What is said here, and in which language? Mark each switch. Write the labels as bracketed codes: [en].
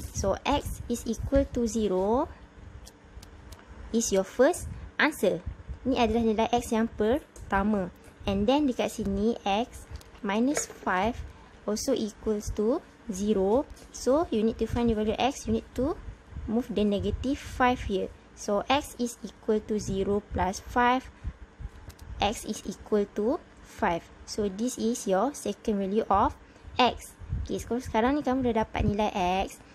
[en] So, x is equal to 0 is your first answer. [ms] Ni adalah nilai x yang pertama. [en] And then [ms] dekat sini [en] x minus 5 also equals to 0. So, you need to find the value x. You need to move the negative 5 here. So, x is equal to 0 plus 5. X is equal to 5. So, this is your second value of X. [ms] Okay, so sekarang ni kamu dah dapat nilai X.